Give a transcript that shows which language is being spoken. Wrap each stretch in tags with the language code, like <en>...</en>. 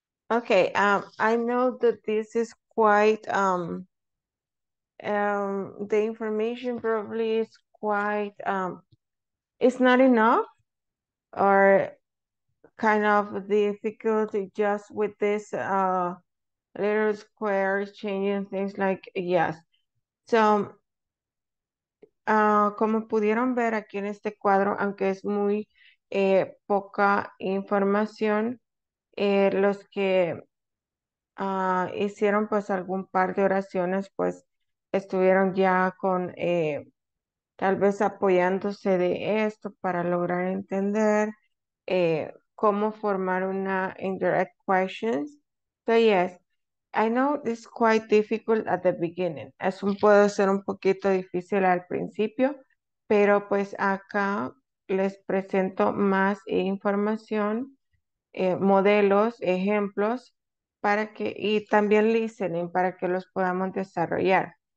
<en>Okay, I know that this is quite, the information probably is quite, it's not enough or kind of difficult just with this little squares changing things like, yes.</en> <es>So, como pudieron ver aquí en este cuadro, aunque es muy poca información, los que hicieron pues algún par de oraciones pues estuvieron ya con tal vez apoyándose de esto para lograr entender cómo formar una indirect questions.</es> <en>So yes, I know it's quite difficult at the beginning.</en> <es>Es un puede ser un poquito difícil al principio, pero pues acá les presento más información. Modelos, ejemplos, para que, y también listening, para que los podamos desarrollar.</es>